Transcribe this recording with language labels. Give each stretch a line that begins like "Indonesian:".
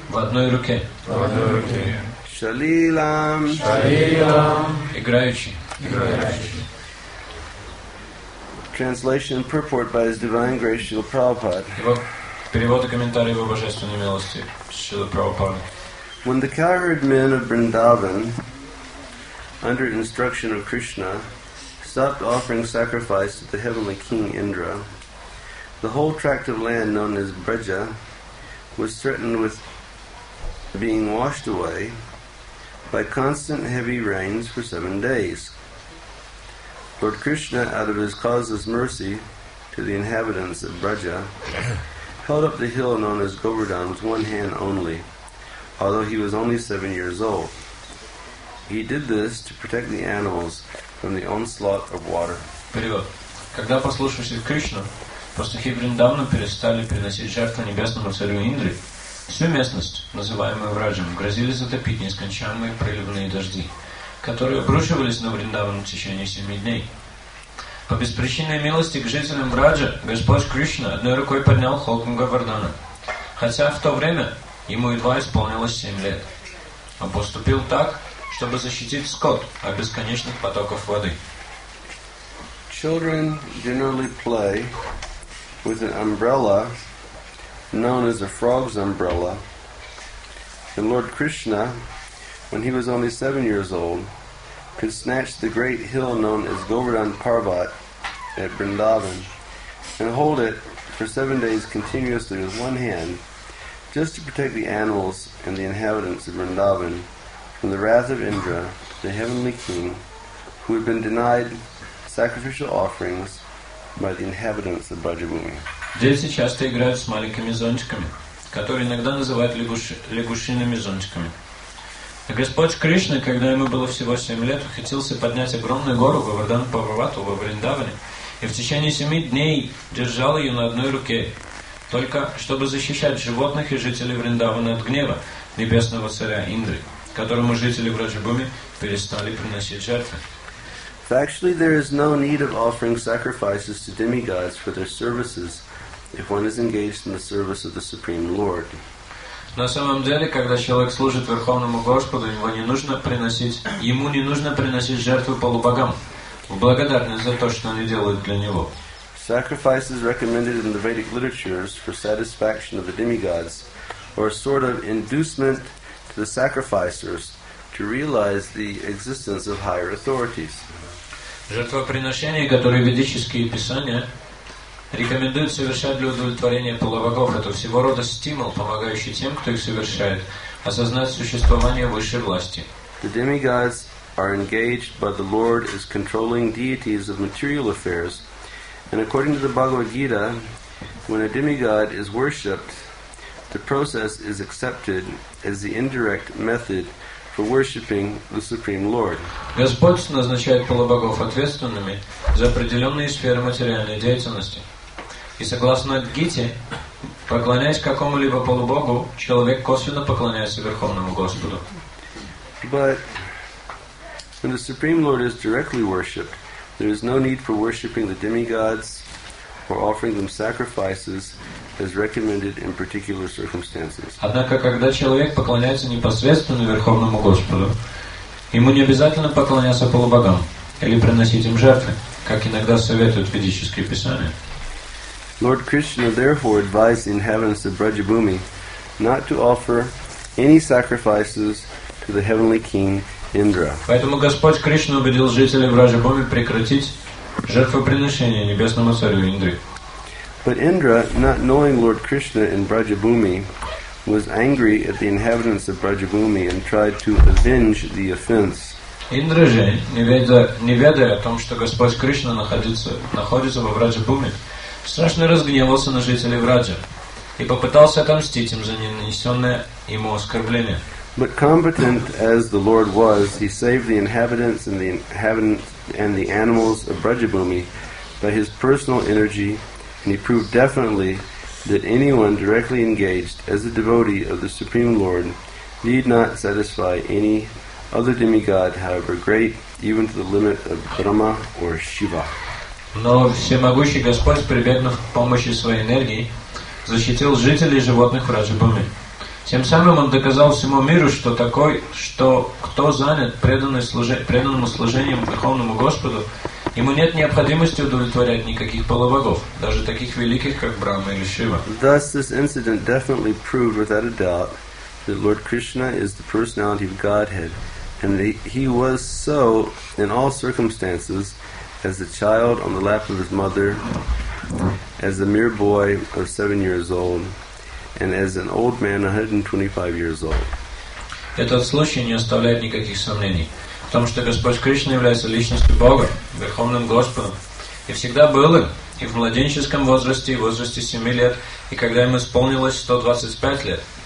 Russian: В одной руке. В одной руке. Шалилам. Шалилам. Играющий. Играющий.
English: Translation purport by His Divine Grace Srila Prabhupada.
Russian: Перевод и комментарий Его Божественной Милости Srila Prabhupada.
English: When the cowherd men of Vrindavan, under instruction of Krishna, stopped offering sacrifice to the heavenly king Indra, the whole tract of land known as Braja was threatened with being washed away by constant heavy rains for 7 days. Lord Krishna, out of his causeless mercy to the inhabitants of Braja, held up the hill known as Govardhan with one hand only, although he was only 7 years old. He did this to protect the animals from the onslaught of water.
Russian: Перевод. Когда послушавшись Кришну, пастухи Вриндавана перестали приносить жертву небесному царю Индре, всю местность, называемую Враджем, грозили затопить нескончаемые проливные дожди, которые обрушивались на Вриндаван в течение 7 дней. По беспричинной милости к жителям Враджа, Господь Кришна одной рукой поднял холм Говардхана, хотя в то время ему едва исполнилось 7 лет, а поступил так, чтобы защитить скот от бесконечных потоков воды.
English: Children generally play with an umbrella known as a frog's umbrella. And Lord Krishna, when he was only 7 years old, could snatch the great hill known as Govardhan Parvat at Vrindavan and hold it for 7 days continuously with one hand, just to protect the animals and the inhabitants of Vrindavan from the wrath of Indra, the heavenly king, who had been denied sacrificial offerings by the inhabitants of Brajabhumi.
Russian: Дети часто играют с маленькими зонтиками, которые иногда называют лягушиными зонтиками. А Господь Кришна, когда ему было всего 7 лет, ухитрился поднять огромную гору Говардхан Парвату во Вриндаване и в течение 7 дней держал ее на одной руке, только чтобы защищать животных и жителей Вриндавана от гнева небесного царя Индры, которому жители Враджабуми перестали приносить жертвы.
English: Factually, there is no need of offering sacrifices to demigods for their services if one is engaged in the service of the Supreme Lord.
Russian: На самом деле, когда человек служит Верховному Господу, его не нужно приносить, ему не нужно приносить жертвы полубогам в благодарность за то, что они делают для него.
English: Sacrifices recommended in the Vedic literatures for satisfaction of the demigods are a sort of inducement to the sacrificers to realize the existence of higher authorities.
Russian: Жертвоприношения, которые ведические писания рекомендуют совершать для удовлетворения полубогов, это всего рода стимул, помогающий тем, кто их совершает, осознать существование высшей власти.
English: The demigods are engaged by the Lord as controlling deities of material affairs, and according to the Bhagavad Gita, when a demigod is worshipped, the process is accepted as the indirect method for worshipping the Supreme Lord.
Russian: Господь назначает полубогов ответственными за определенные сферы материальной деятельности. И согласно Гите, поклоняясь какому-либо полубогу, человек косвенно поклоняется Верховному Господу.
English: But when the Supreme Lord is directly worshipped, there is no need for worshipping the demigods or offering them sacrifices as recommended in particular circumstances.
Russian: Однако, когда человек поклоняется непосредственно Верховному Господу, ему не обязательно поклоняться полубогам или приносить им жертвы, как иногда советуют ведические писания.
English: Lord Krishna therefore advised the inhabitants of Brajabhumi not to offer any sacrifices to the heavenly king Indra.
Russian: Поэтому Господь Кришна убедил жителей Брадж-Бхуми прекратить жертвоприношение небесному царю Индре.
English: But Indra, not knowing Lord Krishna in Brajabhumi, was angry at the inhabitants of Brajabhumi and tried to avenge the offense.
Russian: Индра же, не ведая о том, что Господь Кришна находится во Брадж-Бхуми, страшно разгневался на жителей Враджа и попытался отомстить им за нанесенное ему оскорбление.
English: But competent as the Lord was, he saved the inhabitants and the animals of Brajabhumi by his personal energy, and he proved definitely that anyone directly engaged as a devotee of the Supreme Lord need not satisfy any other demigod, however great, even to the limit of Brahma or Shiva.
Russian: Но всемогущий Господь, прибегнув к помощи своей энергии, защитил жителей животных в Раджабхуми. Тем самым он доказал всему миру, что такой, что кто занят преданным служением Верховному Господу, ему нет необходимости удовлетворять никаких полубогов, даже таких великих, как Брахма или Шива.
English: Thus, this incident definitely proved without a doubt that Lord Krishna is the personality of Godhead, and that he was so in all circumstances, as a child on the lap of his mother, as a mere boy of 7 years old, and as an old man 125 years old.
Russian: Этот случай не оставляет никаких сомнений в том, что Господь Кришна является личностью Бога, Верховным Господом, и всегда был им, и в младенческом возрасте, и в возрасте 7 лет, и когда ему исполнилось 125 лет.